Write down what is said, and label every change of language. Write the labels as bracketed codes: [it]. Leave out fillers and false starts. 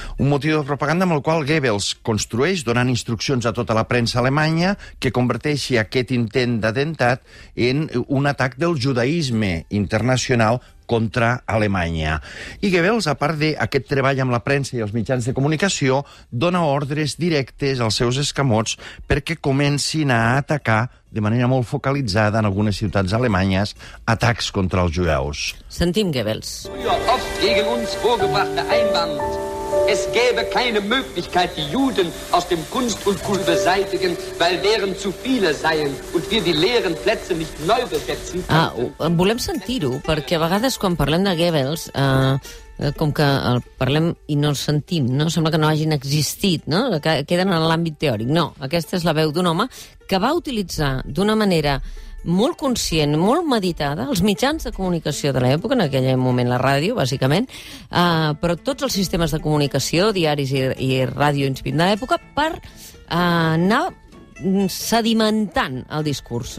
[ca] Un motiu de propaganda amb el qual Goebbels construeix, donant instruccions a tota la premsa alemanya, que converteixi aquest intent d'atemptat en un atac del judaïsme internacional contra Alemanya. I Goebbels, a part d'aquest treball amb la premsa i els mitjans de comunicació, dona ordres directes als seus escamots perquè comencin a atacar de manera molt focalitzada en algunes ciutats alemanyes atacs contra els jueus. Sentim Goebbels. [de] Gegen uns vorgebrachte Einwand. Es gäbe keine Möglichkeit, die Juden aus dem Kunst und Kult beseitigen, weil wären zu viele seien und wir die leeren Plätze nicht neu besetzen. [ca] Ah, volem sentir-ho, perquè a vegades quan parlem de Goebbels, com que el parlem i no el sentim, no? Sembla que no hagin existit, no? Que queden en l'àmbit teòric. No, aquesta és la veu d'un home que va utilitzar d'una manera molt conscient, molt meditada, els mitjans de comunicació de l'època, en aquell moment la ràdio, bàsicament, però tots els sistemes de comunicació, diaris i ràdio inspirant de l'època, per anar sedimentant el discurs.